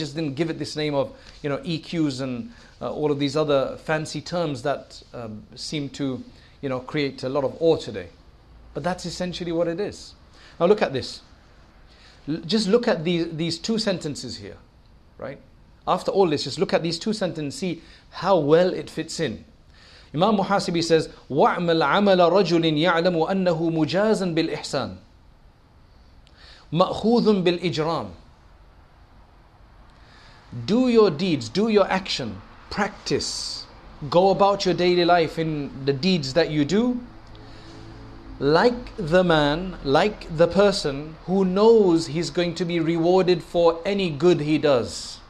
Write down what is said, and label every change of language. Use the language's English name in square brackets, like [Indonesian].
[English] They just didn't give it this name of, you know, EQs and all of these other fancy terms that seem to, you know, create a lot of awe today. But that's essentially what it is. Now look at this. Just look at these two sentences here, right? After all this, just look at these two sentences and see how well it fits in. Imam Muhasibi says, [Arabic] وَعْمَلْ عَمَلَ رَجُلٍ يَعْلَمُ أَنَّهُ مُجَازًا بِالْإِحْسَانِ مَأْخُوذٌ بِالْإِجْرَامِ. [English] Do your deeds, do your action, practice, go about your daily life in the deeds that you do, like the man, like the person who knows he's going to be rewarded for any good he does.